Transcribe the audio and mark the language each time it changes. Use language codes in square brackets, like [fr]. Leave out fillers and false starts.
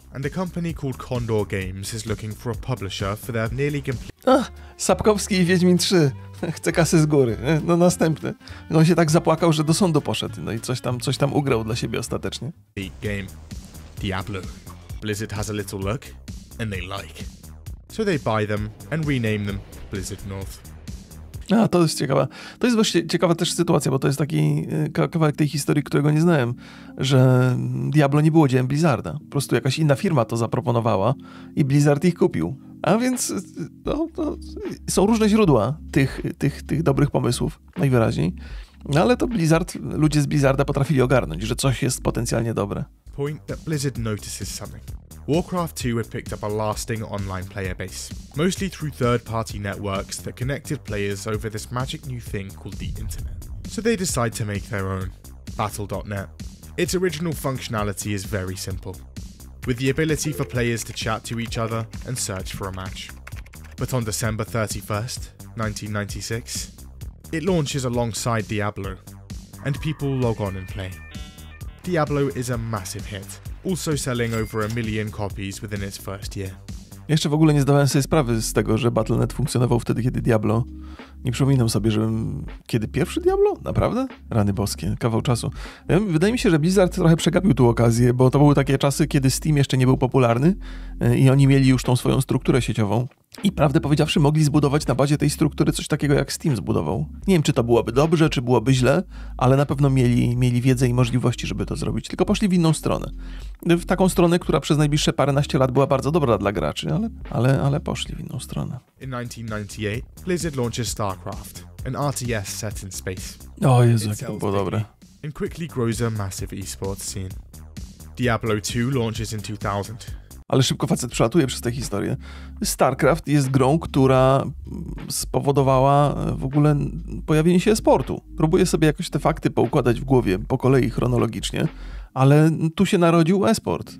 [en] And a company called Condor Games is looking for a publisher for their nearly complete... [pl] Ach, Sapkowski i Wiedźmin 3. Chce kasy z góry. No następny. On się tak zapłakał, że do sądu poszedł. No i coś tam ugrał dla siebie ostatecznie. [en] Game. Diablo. Blizzard has a little look, and they like. So they buy them and rename them Blizzard North. [pl] A, to jest ciekawa. To jest właśnie ciekawa też sytuacja, bo to jest taki kawałek tej historii, którego nie znałem, że Diablo nie było dziełem Blizzarda. Po prostu jakaś inna firma to zaproponowała i Blizzard ich kupił. A więc no, są różne źródła tych dobrych pomysłów, najwyraźniej. No, ale to Blizzard, ludzie z Blizzarda potrafili ogarnąć, że coś jest potencjalnie dobre. [en] Point that Blizzard notices something. Warcraft 2 had picked up a lasting online player base, mostly through third-party networks that connected players over this magic new thing called the internet. So they decide to make their own, Battle.net. Its original functionality is very simple, with the ability for players to chat to each other and search for a match. But on December 31st, 1996, it launches alongside Diablo, and people log on and play. Diablo is a massive hit, also selling over a million copies within its first year. [pl] Jeszcze w ogóle nie zdawałem sobie sprawy z tego, że Battle.net funkcjonował wtedy, kiedy Diablo. Nie przypominam sobie, żebym... Kiedy pierwszy Diablo? Naprawdę? Rany boskie, kawał czasu. Wydaje mi się, że Blizzard trochę przegapił tu okazję, bo to były takie czasy, kiedy Steam jeszcze nie był popularny i oni mieli już tą swoją strukturę sieciową. I prawdę powiedziawszy, mogli zbudować na bazie tej struktury coś takiego, jak Steam zbudował. Nie wiem, czy to byłoby dobrze, czy byłoby źle, ale na pewno mieli wiedzę i możliwości, żeby to zrobić. Tylko poszli w inną stronę. W taką stronę, która przez najbliższe paręnaście lat była bardzo dobra dla graczy, ale poszli w inną stronę. [en] In 1998, Blizzard launches StarCraft, an RTS set in space. [pl] O Jezu, jak to było dobre. [en] And quickly grows a massive esports scene. Diablo 2 launches in 2000. [pl] Ale szybko facet przelatuje przez tę historię. StarCraft jest grą, która spowodowała w ogóle pojawienie się e-sportu. Próbuję sobie jakoś te fakty poukładać w głowie po kolei chronologicznie, ale tu się narodził e-sport.